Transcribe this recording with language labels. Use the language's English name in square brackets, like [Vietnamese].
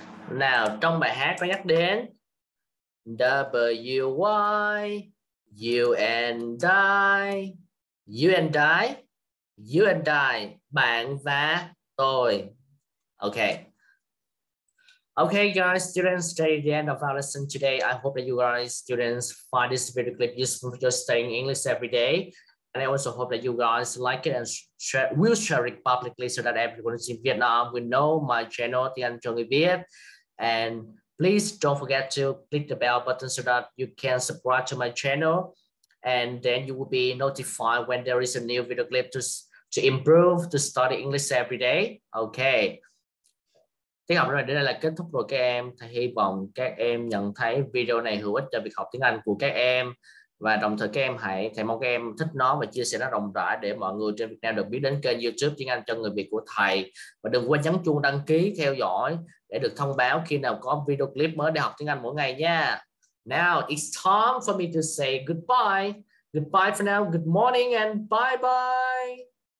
[Vietnamese] Nào, trong bài hát có nhắc đến W, Y, [English] you and I, [Vietnamese] bạn và tôi. [English] Okay, guys, students, that is the end of our lesson today. I hope that you guys, students, find this video clip useful for your studying English every day. And I also hope that you guys like it and will share it publicly so that everyone in Vietnam will know my channel, Tiếng, chưa, người, biết. And Please don't forget to click the bell button so that you can subscribe to my channel, and then you will be notified when there is a new video clip to improve to study English every day. Okay. [Vietnamese] Tiếng học rồi, đến đây là kết thúc rồi các em. Thầy hy vọng các em nhận thấy video này hữu ích cho việc học tiếng Anh của các em. Và đồng thời các em hãy, thầy mong các em thích nó và chia sẻ nó rộng rãi để mọi người trên Việt Nam được biết đến kênh YouTube Tiếng Anh cho người Việt của thầy. Và đừng quên nhấn chuông đăng ký theo dõi để được thông báo khi nào có video clip mới để học tiếng Anh mỗi ngày nha. [English] Now it's time for me to say goodbye. Goodbye for now, good morning and bye bye.